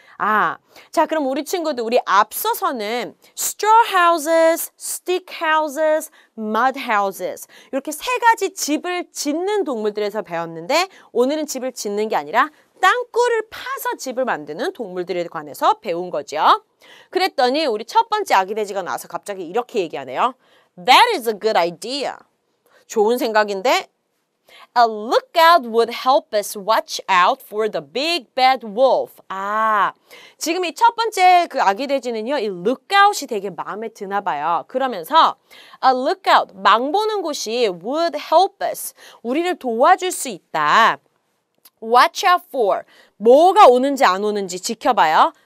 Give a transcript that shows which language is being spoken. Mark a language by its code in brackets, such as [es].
[ko] 아, 자 그럼 우리 친구들 우리 앞서서는 [en] straw houses, stick houses, mud houses [ko] 이렇게 세 가지 집을 짓는 동물들에서 배웠는데 오늘은 집을 짓는 게 아니라 땅굴을 파서 집을 만드는 동물들에 관해서 배운 거죠. 그랬더니 우리 첫 번째 아기 돼지가 나와서 갑자기 이렇게 얘기하네요. [en] That is a good idea. [ko] 좋은 생각인데 [en] A lookout would help us watch out for the big bad wolf. [ko] 아, 지금 이 첫 번째 그 아기 돼지는요. 이 lookout이 되게 마음에 드나 봐요. 그러면서 [en] A lookout, [ko] 망 보는 곳이 [en] would help us, [ko] 우리를 도와줄 수 있다. [en] Watch out for. [ko] 뭐가 오는지 안 오는지 지켜봐요.